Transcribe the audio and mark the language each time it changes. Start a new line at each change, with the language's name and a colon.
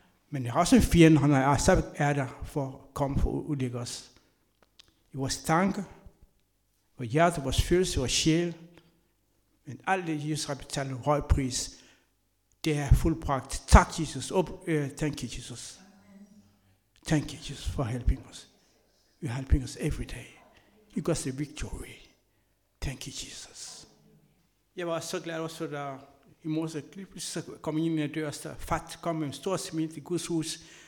Danish: Men det er også en fjende, han er der for at komme for at udlægge os. I vores tanke, vores hjerte, vores følelse, vores sjæl, men alt det, Jesus har betalt en høj pris, det er fuldbragt. Tak, Jesus.
English: Thank you, Jesus. Thank you, Jesus, for helping us. You're helping us every day. You got the victory. Thank you, Jesus.
Danish: Jeg var så glad også, da i morges lige kom ind i døren, så fat kom med en stor smil til Guds hus.